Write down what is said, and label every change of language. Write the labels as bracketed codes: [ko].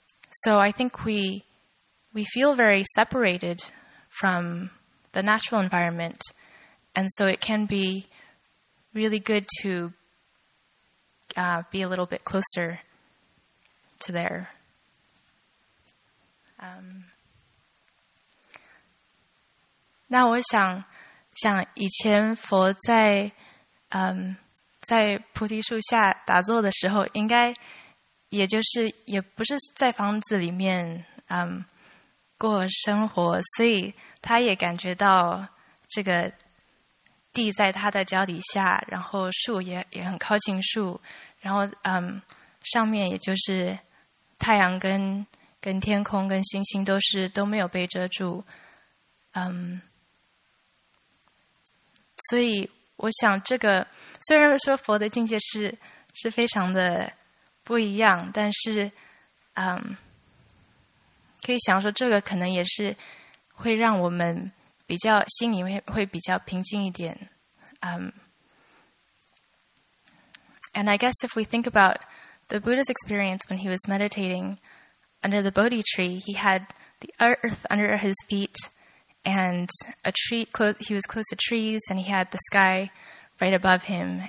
[en] So I think we feel very separated from the natural environment, and so it can be really good to be a little bit closer to there. Now, [zh] 我想以前佛在在菩提树下打坐的时候，应该也就是也不是在房子里面过生活，所以他也感觉到这个地在他的脚底下，然后树也很靠近树，然后上面也就是太阳跟天空跟星星都没有被遮住所以我想这个虽然说佛的境界是非常的不一样，但是可以想说这个可能也是会让我们比较心里面会比较平静一点。 [en] And I guess if we think about the Buddha's experience when he was meditating under the Bodhi tree, he had the earth under his feet and a tree, he was close to trees and he had the sky right above him.